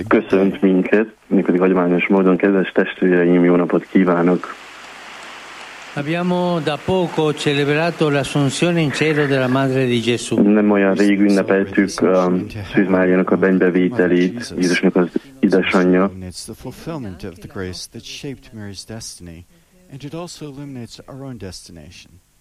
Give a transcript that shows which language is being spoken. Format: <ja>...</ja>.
<hu>köszönt minket, mi pedig hagyományos módon, kedves testvéreim, jó napot kívánok!</hu> <it>Abbiamo da poco celebrato l'Assunzione in cielo della Madre di Gesù.</it> <hu>Nem olyan rég ünnepeltük a Szűz Máriának a bennbevételét, Jézusnak az édesanyja.</hu> <en>It's the fulfillment of the grace that shaped Mary's destiny, and it also illuminates our own destination.</en>